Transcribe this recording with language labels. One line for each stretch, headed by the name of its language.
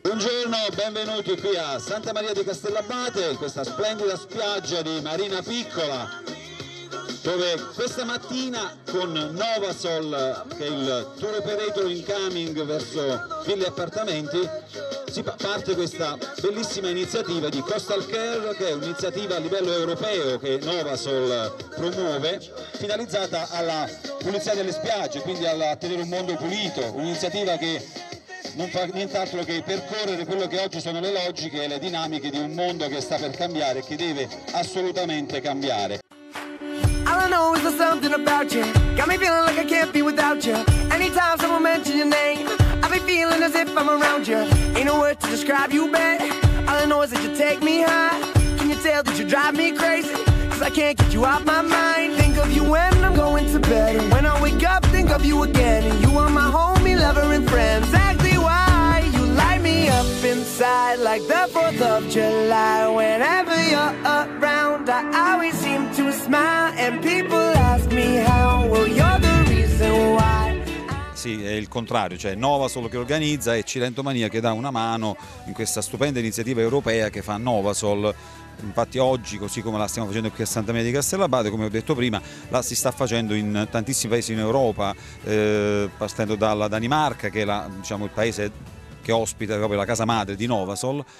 Italian: Buongiorno, benvenuti qui a Santa Maria di Castellabate, in questa splendida spiaggia di Marina Piccola, dove questa mattina con Novasol, che è il tour operator incoming verso Villa Appartamenti, si parte questa bellissima iniziativa di Coastal Care, che è un'iniziativa a livello europeo che Novasol promuove, finalizzata alla pulizia delle spiagge, quindi a tenere un mondo pulito, un'iniziativa che non fa nient'altro che percorrere quello che oggi sono le logiche e le dinamiche di un mondo che sta per cambiare e che deve assolutamente cambiare.
English: I don't know, is there something about you? Got me feeling like I can't be without you. Anytime someone mentions your name, I be feeling as if I'm around you. Ain't no word to describe you, babe. All I know is that you take me high. Can you tell that you drive me crazy? 'Cause I can't get you off my mind. Think of you when I'm going to bed, and when I wake up, think of you again. And you are my homie, lover, and friend. Exactly why you light me up inside like the 4th of July. Whenever you're around, I always seem to smile. And people ask me how. Well, you're the reason why.
Italian: Sì, è il contrario, cioè Novasol che organizza e Cilento Mania che dà una mano in questa stupenda iniziativa europea che fa Novasol. Infatti oggi, così come la stiamo facendo qui a Santa Maria di Castellabate, come ho detto prima, la si sta facendo in tantissimi paesi in Europa, partendo dalla Danimarca, che è la, diciamo, il paese che ospita proprio la casa madre di Novasol.